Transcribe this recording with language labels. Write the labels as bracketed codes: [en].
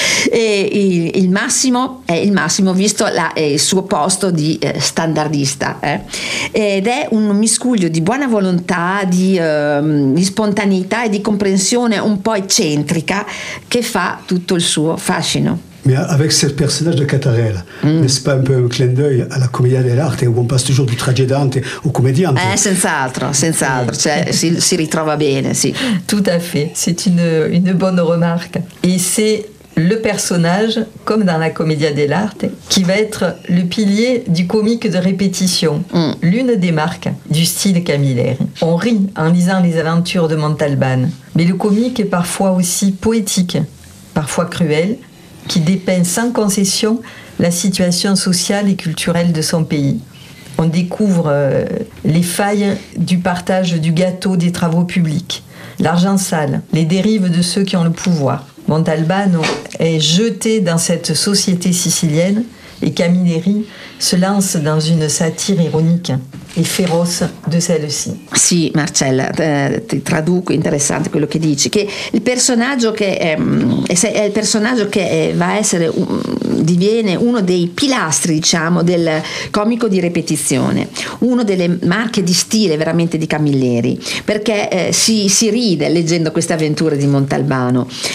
[it] E il massimo visto il suo posto di standardista, ed è un miscuglio di buona volontà, di spontaneità e di comprensione un po' eccentrica che fa tutto il suo fascino. [fr] Mais avec ce personnage de Cattarella, n'est-ce pas un peu un clin d'œil à la commedia dell'arte où on passe toujours du tragédante au comédien? [it] Senz'altro, cioè, si ritrova bene, sì. [fr] Tout à fait, c'est une bonne remarque. Et c'est le personnage, comme dans la commedia dell'arte, qui va être le pilier du comique de répétition, l'une des marques du style Camilleri. On rit en lisant les aventures de Montalban, mais le comique est parfois aussi poétique, parfois cruel, qui dépeint sans concession la situation sociale et culturelle de son pays. On découvre les failles du partage du gâteau des travaux publics, l'argent sale, les dérives de ceux qui ont le pouvoir. Montalbano est jeté dans cette société sicilienne et Camilleri se lance dans une satire ironique. [it] e feroce di celle-ci. Sì, Marcella, ti traduco, interessante quello che dici, che il personaggio che è il personaggio che va a essere diviene uno dei pilastri, diciamo, del comico di ripetizione, uno delle marche di stile veramente di Camilleri, perché si ride leggendo queste avventure di Montalbano,